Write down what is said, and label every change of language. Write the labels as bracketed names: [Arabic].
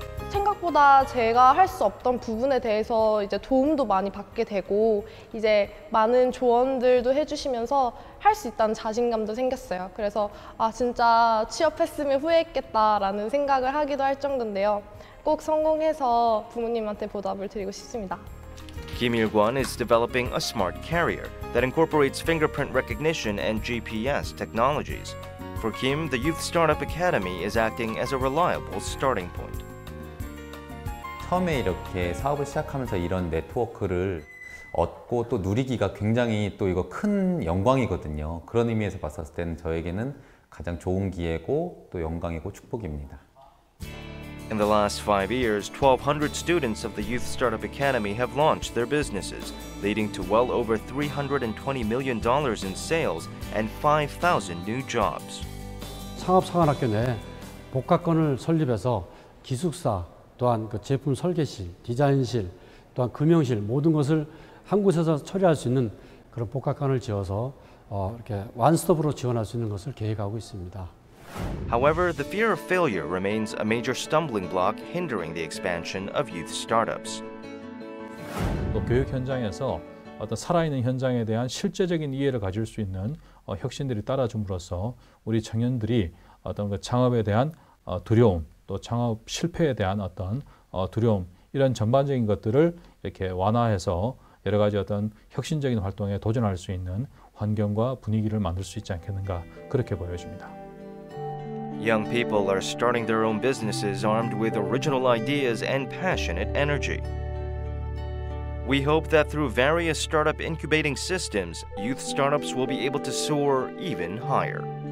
[Korean] 생각보다 제가 할 수 없던 부분에 대해서 이제 도움도 많이 받게 되고 이제 많은 조언들도 해주시면서 할 수 있다는 자신감도 생겼어요. 그래서 아 진짜 취업했으면 후회했겠다라는 생각을 하기도 할 정도인데요. 꼭 성공해서 부모님한테 보답을 드리고 싶습니다. [English] Kim Il-gwon is developing a smart carrier that incorporates fingerprint recognition and GPS technologies. For Kim, the Youth Startup Academy is acting as a reliable starting point. [Korean] 처음에 이렇게 사업을 시작하면서 이런 네트워크를 얻고 또 누리기가 굉장히 또 이거 큰 영광이거든요. 그런 의미에서 봤었을 때는 저에게는 가장 좋은 기회고 또 영광이고 축복입니다. [English] In the last 5 years, 1,200 students of the Youth Startup Academy have launched their businesses, leading to well over $320 million in sales and 5,000 new jobs. [Korean] 상업사관학교 내 복학권을 설립해서 기숙사, 또한 그 제품 설계실, 디자인실, 또한 금융실 모든 것을 한 곳에서 처리할 수 있는 그런 복합관을 지어서 이렇게 원스톱으로 지원할 수 있는 것을 계획하고 있습니다. [English] However, the fear of failure remains a major stumbling block hindering the expansion of youth startups. [Korean] 또 교육 현장에서 어떤 살아있는 현장에 대한 실제적인 이해를 가질 수 있는 혁신들이 따라줌으로써 우리 청년들이 어떤 그 창업에 대한 두려움 또 창업 실패에 대한 어떤 두려움 이런 전반적인 것들을 이렇게 완화해서 여러 가지 어떤 혁신적인 활동에 도전할 수 있는 환경과 분위기를 만들 수 있지 않겠는가 그렇게 보여집니다. [English] Young people are starting their own businesses armed with original ideas and passionate energy. We hope that through various startup incubating systems, youth startups will be able to soar even higher.